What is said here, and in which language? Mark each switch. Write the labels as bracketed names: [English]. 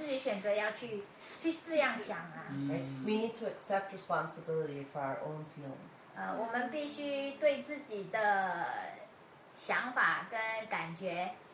[Chinese] 如果你不去嫉妒别人，不去想说为什么他有那么多好的那个基督朋友的话，我没有。这个就是是你自己选择要去这样想啊。We [English] need to accept responsibility for our own feelings. [Chinese] 我们必须对自己的想法跟感觉。